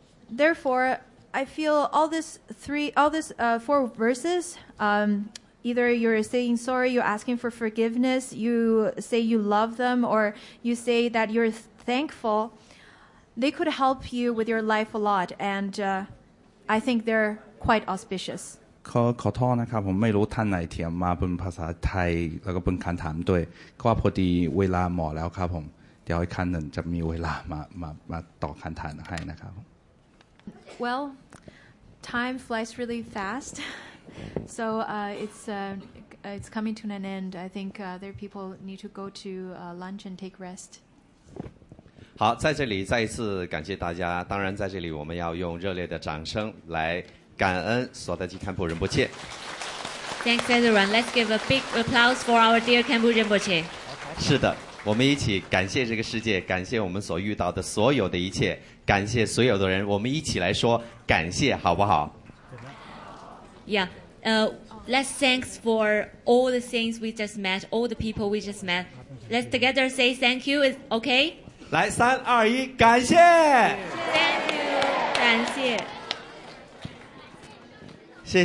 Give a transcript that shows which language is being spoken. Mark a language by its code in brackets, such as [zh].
[en] Therefore, I feel all these four verses, either you're saying sorry, you're asking for forgiveness, you say you love them, or you say that you're thankful, they could help you with your life a lot. And I think they're quite auspicious. [th] ขอโทษนะครับผมไม่รู้ท่านไหนเทียมมาเป็นภาษาไทยแล้วก็เป็นการถามด้วยก็พอดีเวลาหมดแล้วครับผมเดี๋ยวอีกท่านหนึ่งจะมีเวลามาตอบคำถามให้นะครับ [en] Well, time flies really fast. So it's coming to an end. I think other people need to go to lunch and take rest. [zh] 好，在这里再一次感谢大家。当然，在这里我们要用热烈的掌声来感恩索达吉堪布仁波切。 [en] Thanks everyone. Let's give a big applause for our dear Khenpo Rinpoche. [zh] 是的，我们一起感谢这个世界，感谢我们所遇到的所有的一切，感谢所有的人。我们一起来说感谢，好不好 [en] ？Yeah. Let's thank for all the things we just met, all the people we just met. Let's together say thank you. Is okay? [zh] 来三二一，感谢。 [en] Thank you， [zh] 感谢。